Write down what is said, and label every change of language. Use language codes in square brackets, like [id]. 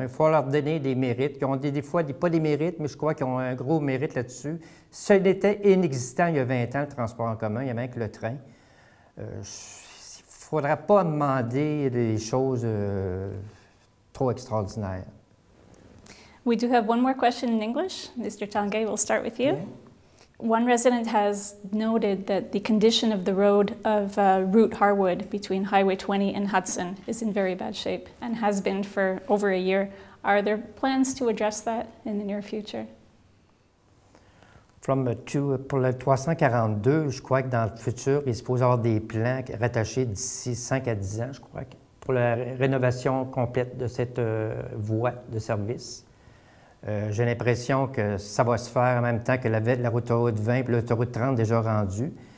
[fr] Il faut leur donner des mérites. Ils ont pas des mérites, mais je crois qu'ils ont un gros mérite là-dessus. Ce n'était inexistant il y a 20 ans, le transport en commun. Il y avait même que le train. Il ne faudra pas demander des choses trop extraordinaires. [en] We do have one more question in English. Mr. Tanguay, we'll start with you. Yeah. One resident has noted that the condition of the road of Route Harwood between Highway 20 and Hudson is in very bad shape and has been for over a year. Are there plans to address that in the near future? [fr] Pour le 342, je crois que dans le futur, il se pose avoir des plans rattachés d'ici 5 à 10 ans, je crois, que pour la rénovation complète de cette voie de service. J'ai l'impression que ça va se faire en même temps que la route 20 et l'autoroute 30 déjà rendue.